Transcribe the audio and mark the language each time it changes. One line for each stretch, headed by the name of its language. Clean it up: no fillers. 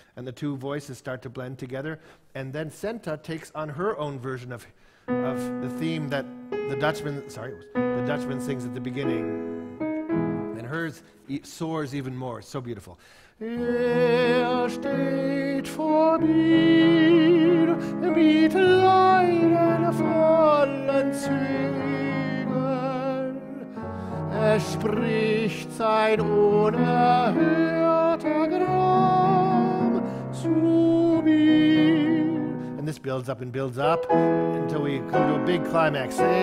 English: And the two voices start to blend together, and then Senta takes on her own version of the theme that the Dutchman sings at the beginning. And hers soars even more, so beautiful.
German: Er steht vor mir mit leiden vollen Zügen. Er spricht sein Unerhört.
English: And this builds up and builds up until we come to a big climax.